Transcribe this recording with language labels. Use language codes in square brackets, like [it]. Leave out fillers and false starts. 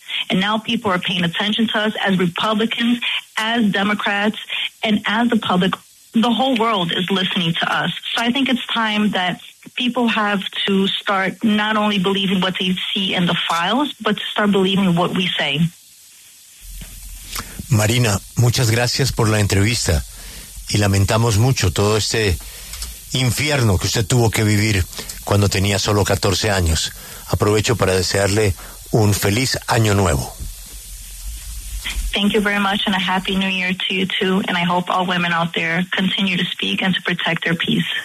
[en] And now people are paying attention to us as Republicans, as Democrats, and as the public. The whole world is listening to us. So I think it's time that people have to start not only believing what they see in the files, but to start believing what we say. [es] Marina, muchas gracias por la entrevista. Y lamentamos mucho todo este infierno que usted tuvo que vivir cuando tenía solo 14 años. Aprovecho para desearle un feliz año nuevo. [en] Thank you very much and a happy new year to you too. And I hope all women out there continue to speak and to protect their peace.